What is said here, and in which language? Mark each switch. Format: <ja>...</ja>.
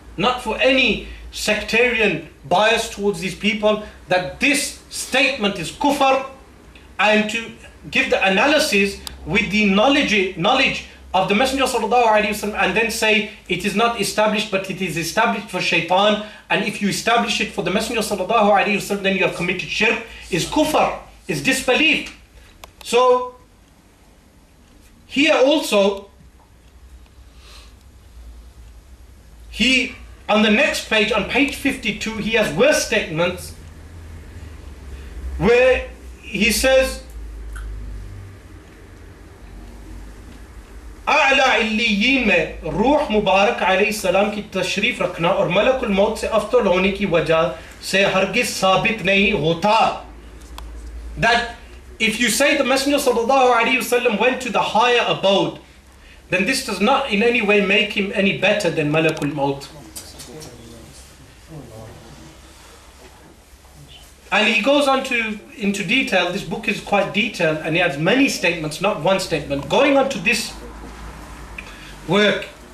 <en>Not for any sectarian bias towards these people, that this statement is kufr, and to give the analysis with the knowledge of the Messenger sallallahu alayhi wa sallam and then say it is not established, but it is established for shaitan, and if you establish it for the Messenger sallallahu alayhi wa sallam then you have committed shirk, is kufr, is disbelief. So here also he, on the next page, on page 52, he has worse statements where he says</en> <ur>اعلی علیین میں روح مبارک علیہ السلام کی تشریف رکھنا اور ملک الموت سے افضل ہونے کی وجہ سے ہرگز ثابت نہیں ہوتا.</ur> <en>That if you say the Messenger sallallahu alayhi wasallam went to the higher abode, then this does not in any way make him any better than ملک الموت. And he goes on to into detail. This book is quite detailed and he has many statements, not one statement. Going on to this work,</en>